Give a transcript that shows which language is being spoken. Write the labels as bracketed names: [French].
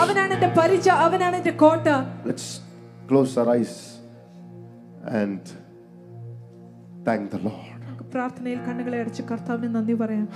[Malayalam] അവനാണ് എൻ്റെ പരിച അവനാണ് എൻ്റെ കോട്ട. [English] Let's close our eyes and thank the Lord. [Malayalam] പ്രാർത്ഥനയിൽ കണ്ണുകളെ അടച്ച് കർത്താവിനെ നന്ദി പറയാം.